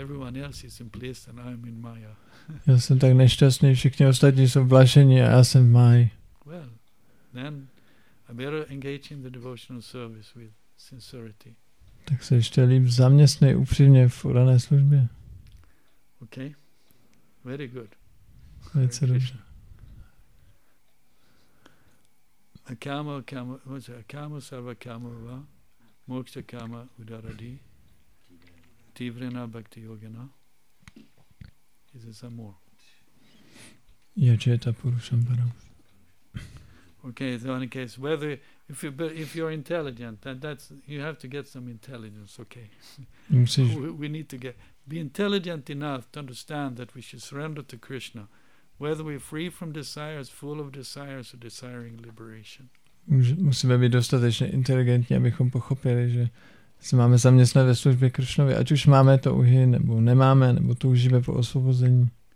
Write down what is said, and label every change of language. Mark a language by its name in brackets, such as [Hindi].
[English] Everyone else is in bliss and I'm in Maya. [Czech] Já jsem tak nešťastný, všichni ostatní jsou blažení a já jsem v Maji. [English] Well, then I better engage in the devotional service with sincerity. [Czech] Tak se ještě líp zaměstnej upřímně v rané službě. [English] Okay. Very good. [Czech] Velice dobře. [Sanskrit] Akamo sarva kamo va moksha kama udaradi. Tivrena bhakti yogena. [English] Is there some more? [Sanskrit] Yajeta purushambara. [English] Okay, so in any case, whether if you're intelligent, that's you have to get some intelligence, okay. we need to be intelligent enough to understand that we should surrender to Krishna, whether we're free from desires, full of desires, or desiring liberation. [Czech] Musíme být dostatečně inteligentní, abychom pochopili, že se máme zaměstnat ve službě Kršnovi, ať už máme to uhy, nebo nemáme, nebo toužíme po osvobození.